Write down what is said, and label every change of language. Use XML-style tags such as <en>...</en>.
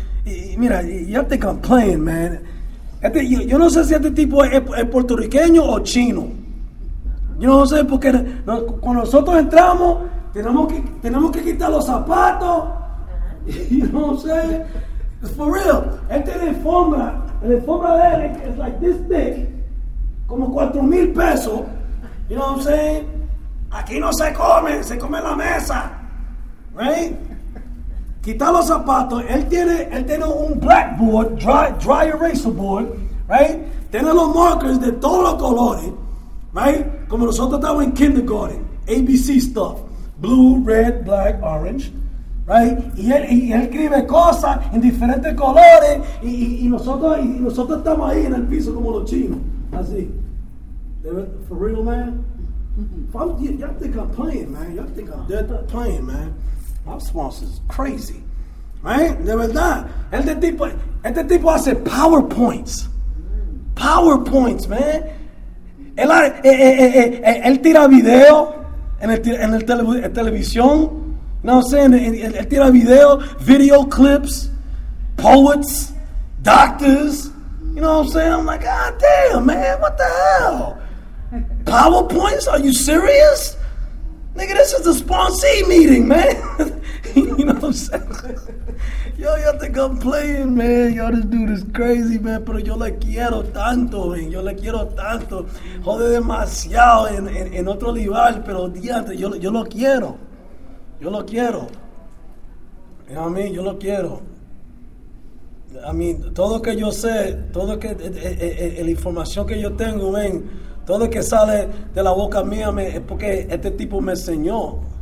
<es>Y mira,</es> <en>you have to complain, man.</en> <es>Yo no sé si este tipo es puertorriqueño o chino. Yo no sé, porque cuando nosotros entramos, tenemos que quitar los zapatos. Yo no sé.</es> <en>It's for real.</en> <es>Este de alfombra, el alfombra de él es</es> <en>like this thick,</en> <es>como 4,000 pesos.</es> <en>You know what I'm saying?</en> <es>Aquí no se come en la mesa.</es> <en>Right?</en> <es>Quitar los zapatos. Él tiene un blackboard,</es> <en>dry eraser board. Right?</en> <es>Tiene los markers de todos los colores.</es> <en>right?</en> <es>Como nosotros estamos en</es> <en>kindergarten, ABC stuff, blue, red, black, orange, right?</en> <es>Y él escribe cosas en diferentes colores y nosotros estamos ahí en el piso como los chinos, así.</es> <en>For real, man. Y'all think I'm playing, man. Y'all think I'm dead playing, man. My sponsor is crazy. Right?</en> <es>De verdad. Este tipo hace PowerPoints. PowerPoints, man. Él tira video en el televisión. No sé, él tira video, video clips, poets, doctors.</es> <en>You know what I'm saying? I'm like, God damn, man, what the hell? PowerPoints? Are you serious? Nigga, this is the sponsee meeting, man. You know what I'm saying? Yo, y'all think I'm playing, man. Yo, this dude is crazy, man.</en> <es>Pero yo le quiero tanto, man. Yo le quiero tanto. Jode demasiado en otro rival, pero diante, yo lo quiero. Yo lo quiero.</es> <en>You know what I mean?</en> <es>Yo lo quiero.</es> <en>I mean,</en> <es>todo que yo sé, todo que la información que yo tengo, man, todo lo que sale de la boca mía es porque este tipo me enseñó.</es>